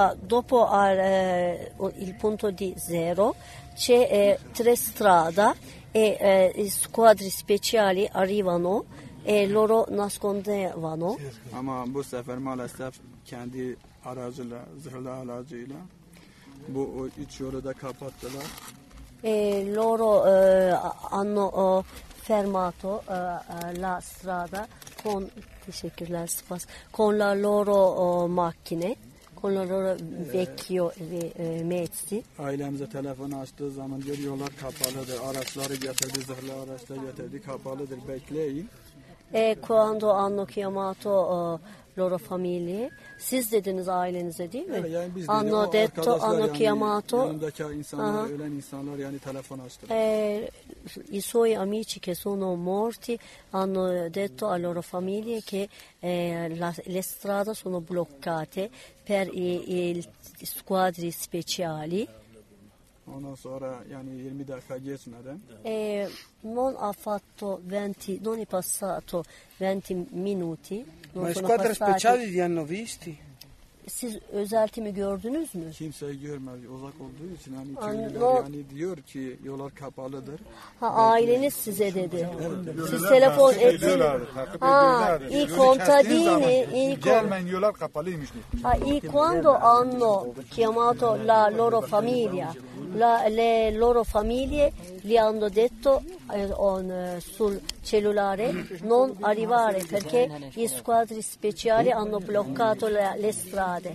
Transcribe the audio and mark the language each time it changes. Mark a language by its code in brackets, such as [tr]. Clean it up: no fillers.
[it] Dopo il punto di zero c'è tre strada e squadre speciali arrivano e loro nascondevano. [tr] Ama bu sefer maalesef kendi aracıyla, zırhlı aracıyla bu üç yolu da kapattılar. [it] Loro hanno fermato la strada con, [tr] teşekkürler, spas, [it] con la loro macchine, con la loro vecchio mezzi. [tr] Ailemize telefon açtığı zaman diyor, yollar kapalıdır, araçları getirdi, zırhlı araçları getirdi, kapalıdır, bekleyin. [it] Quando hanno chiamato loro famiglie, [tr] siz dediniz ailenize değil mi? Yani biz [it] hanno [tr] dedi, [it] detto, hanno [tr] yani [it] chiamato. [tr] Yanındaki insanlar, uh-huh. Ölen insanlar yani telefon açtı. [it] I suoi amici che sono morti hanno detto a loro famiglie che le strade sono bloccate per i squadri speciali. [tr] Ondan sonra yani 20 dakika geçmeden. [it] Non ha fatto 20, non è passato 20 minuti. Ma i squadri speciali li hanno visti? [tr] Siz özel timi gördünüz mü? Kimse görmedi. Uzak olduğu için hani yani diyor ki yollar kapalıdır. Ha, aileniz size dedi. Evet. Siz telefon ettin. Ha, [it] i contadini, i [tr] contadini yollar kapalıymış. [it] Ha, i quando hanno chiamato la loro famiglia, le loro famiglie gli hanno detto sul cellulare non arrivare perché i squadri speciali hanno bloccato le strade.